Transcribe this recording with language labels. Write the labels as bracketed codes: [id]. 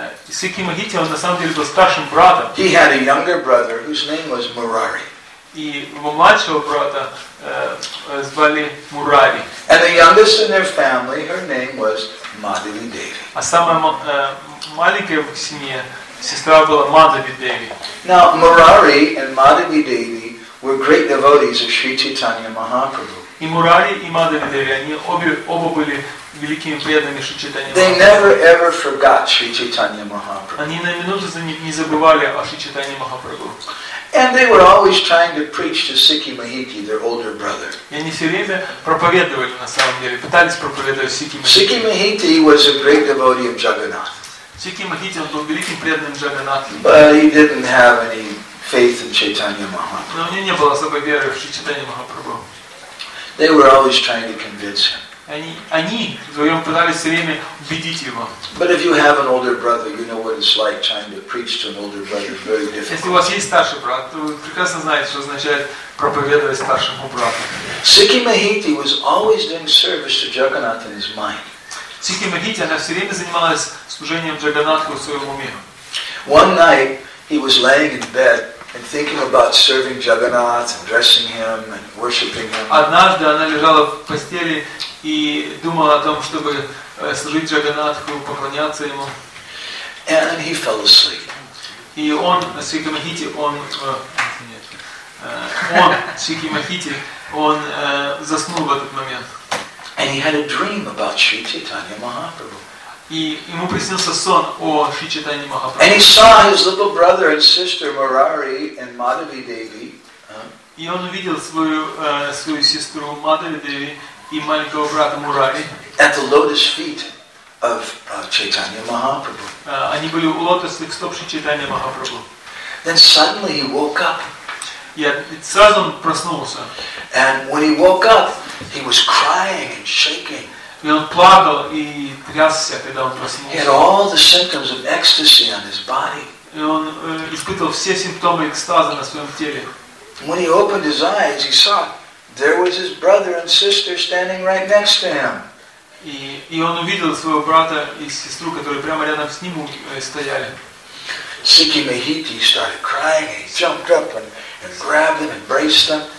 [ru] Сикхи Махити, он на самом деле был старшим братом. [en] He had a younger brother whose name was Murari. [ru] И его младшего брата звали Мурари. [en] And the youngest in their family, her name was Madhavi Devi. [ru] А самая маленькая в семье сестра была Madhavi Devi. [en] Now Murari and Madhavi Devi were great devotees of Sri Chaitanya Mahaprabhu. [ru] И Мурари и Madhavi Devi, они оба были великими преданными Шри Чайтаньи [en] Махапрабху. They never ever forgot Sri Chaitanya Mahaprabhu. [ru] Они на минуту не забывали о Шри Чайтанье Махапрабху. [en] And they were always trying to preach to Sikhi Mahiti, their older brother. [ru] Они все время проповедовали на самом деле, пытались проповедовать Сикхи Махити. [en] Sikhi Mahiti was a great devotee of Jagannath. [ru] Сикхи Махити был великим преданным Джаганнатху. [en] But he didn't have any faith in Chaitanya Mahaprabhu. [ru] Но у него не было особой веры в Чайтанья Махапрабху. [en] They were always trying to convince him. [ru] Они вдвоем пытались все время убедить его. [en] But if you have an older brother, you know what it's like trying to preach to an older brother. Very difficult. [ru] Если у вас есть старший брат, то вы прекрасно знаете, что означает проповедовать старшему брату. [en] Sikhi Mahiti was always doing service to Jagannath in his mind. [ru] Sikhi Mahiti, она все время занималась служением Джаганнатху в своем уме. [en] One night he was laying in bed and thinking about serving Jagannath and dressing him and worshiping him. [ru] Однажды она лежала в постели и думала о том, чтобы служить Джаганнатху, поклоняться ему. [en] And he fell asleep. [ru] И он, Сикхи Махити, он заснул в этот момент. [en] And he had a dream about Sri Chaitanya Mahaprabhu. [ru] И ему приснился сон о Шри Чайтанье Махапрабху. [en] And he saw his little brother and sister Murari and Madhavi Devi. [ru] И он увидел свою сестру Madhavi Devi и маленького брата Мурари. [en] At the lotus feet of Chaitanya Mahaprabhu. [ru] Они были у лотосных стоп Шри Чайтанья Махапрабху. [en] Then suddenly he woke up. [ru] И сразу он проснулся. [en] And when he woke up, he was crying and shaking. [ru] И он плакал и трясся, когда он проснулся. [en] He had all the symptoms of ecstasy on his body. [ru] И он испытывал все симптомы экстаза на своем теле. [en] When he opened his eyes, he saw there was his brother and sister standing right next to him. [ru] И он увидел своего брата и сестру, которые прямо рядом с ним стояли. [en] Sikhi Mahiti started crying. He jumped up and grabbed them, embraced them.